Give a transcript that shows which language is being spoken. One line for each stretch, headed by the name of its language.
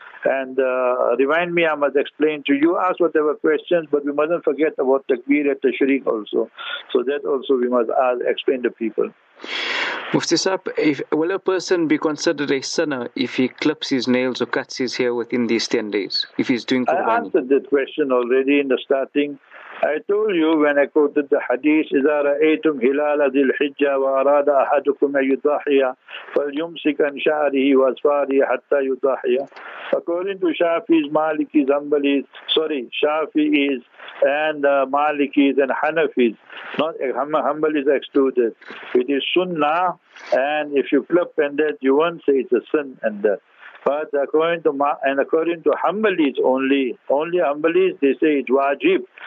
English: And remind me, I must explain to you, ask whatever questions, but we mustn't forget about takbir at tashriq also. So that also we must ask, explain to people. Mufti Saab, will a person be considered a sinner if he clips his nails or cuts his hair within these 10 days, if he's doing qurbani? I answered that question already in the starting. I told you when I quoted the hadith,
Arabic: إِذَا رَأَيْتُمْ هِلَالَ ذِي الْحِجَّةِ وَأَرَادَ أَحَدُكُمْ يُضَاحِيَ فَلْيُمْسِكْ عَنْ شَعْرِهِ وَأَظْفَارِهِ حَتَّى يُضَاحِيَ.
English: According to Shafi's, Maliki's, Hanbali's, Shafi's and Maliki's and Hanafi's, not Hanbali's excluded. It is sunnah, and if you clip and that, you won't say it's a sin and that. But according to Hanbalis only Hanbalis, they say it's wajib.